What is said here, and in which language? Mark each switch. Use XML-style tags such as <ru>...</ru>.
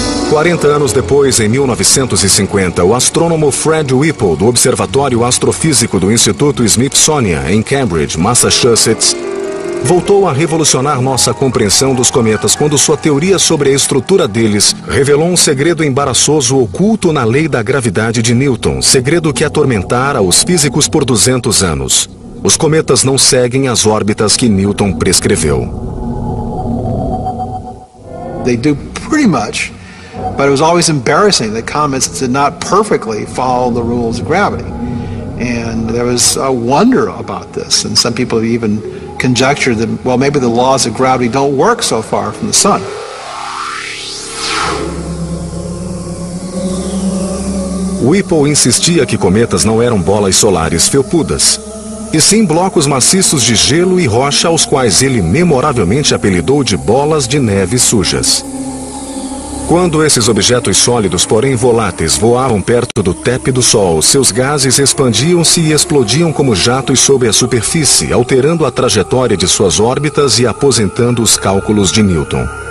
<pt>Quarenta anos depois, em 1950, o astrônomo Fred Whipple, do Observatório Astrofísico do Instituto Smithsonian, em Cambridge, Massachusetts, voltou a revolucionar nossa compreensão dos cometas quando sua teoria sobre a estrutura deles revelou um segredo embaraçoso oculto na lei da gravidade de Newton, segredo que atormentara os físicos por 200 anos. Os cometas não seguem as órbitas que Newton prescreveu.</pt> <en>They do pretty much. But it was always embarrassing that comets did not perfectly follow the rules of gravity. And there was a wonder about this. And some people even conjectured that, well, maybe the laws of gravity don't work so far from the sun.</en> <pt>Whipple insistia que cometas não eram bolas solares felpudas, e sim blocos maciços de gelo e rocha aos quais ele memoravelmente apelidou de bolas de neve sujas. Quando esses objetos sólidos, porém voláteis, voavam perto do tépido Sol, seus gases expandiam-se e explodiam como jatos sob a superfície, alterando a trajetória de suas órbitas e aposentando os cálculos de Newton.</pt>